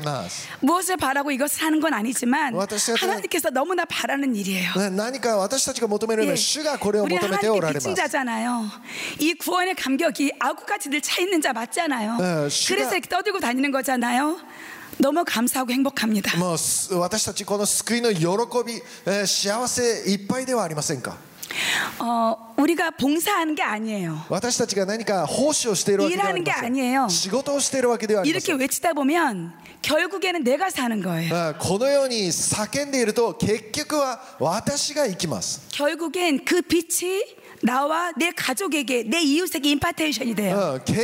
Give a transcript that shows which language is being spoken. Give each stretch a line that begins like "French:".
Korean: 무엇을 바라고 이것을 하는 건 아니지만 하나님께서 너무나 바라는 일이에요.
Japanese: 何か私たちが求めるのは主がこれを求めておられます。
Korean: 이 구원의 감격이 아구까지들 차 있는 자 맞잖아요. 그래서 이렇게 떠들고 다니는 거잖아요. 너무 감사하고 행복합니다.
Japanese: 私たちこの救いの喜び幸せいっぱいではありませんか。
Korean: 어, 우리가 봉사하는 게 아니에요. 일하는 게 아니에요. 이렇게 외치다 보면 결국에는 내가 사는 거예요. 결국엔 그 빛이 나와 내 가족에게 내 이웃에게 임파테이션이 돼요.